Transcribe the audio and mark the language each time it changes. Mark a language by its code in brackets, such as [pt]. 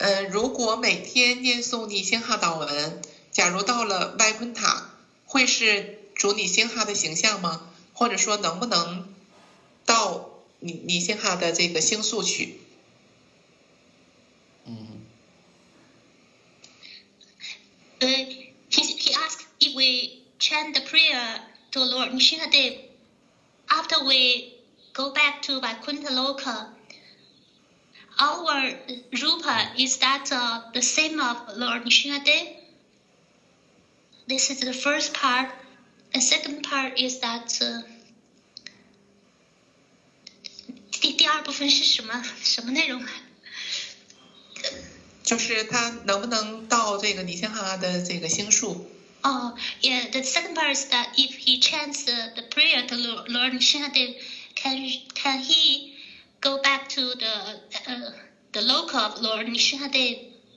[zh] 如果每天念诵尼星哈祷文，假如到了外昆塔，会是主尼星哈的形象吗？或者说能不能到尼星哈的这个星宿去？ [en] He asked if we chant the prayer to Lord Nishinadev after we go back to Vaikuntha Loka, our rupa is that the same of Lord Nishinadev? This is the first part. The second part is that. [zh] 第二部分是什么内容？就是他能不能到这个尼星哈的这个星宿？哦、oh, ，Yeah. [en] The second part is that if he chants the prayer to Lord Nishinadev, can he go back to the local of Lord Nishinadev?